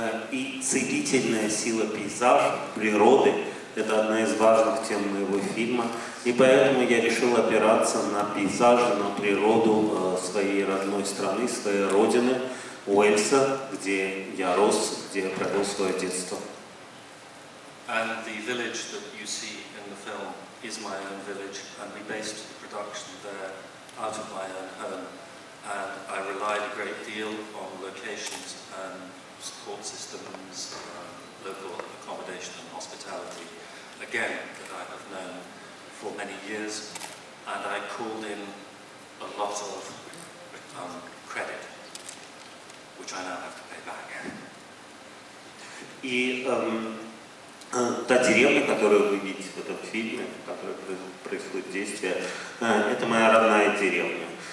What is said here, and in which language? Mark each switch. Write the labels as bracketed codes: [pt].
[ru] И целительная сила пейзажа, природы — это одна из важных тем моего фильма, и поэтому я решил опираться на пейзажи, на природу своей родной страны, своей родины, Уэльса, где я рос, где я провел свое детство. [en] And the village that you see in the film is my own village, and we based the production there out of my own home. And I relied a great deal on locations and support systems, local accommodation and hospitality, again, that I have known for many years, and I pulled in a lot of credit, which I now have to pay back. [ru] И та деревня, которую вы видите в этом фильме, в которой происходит действие, это моя родная деревня.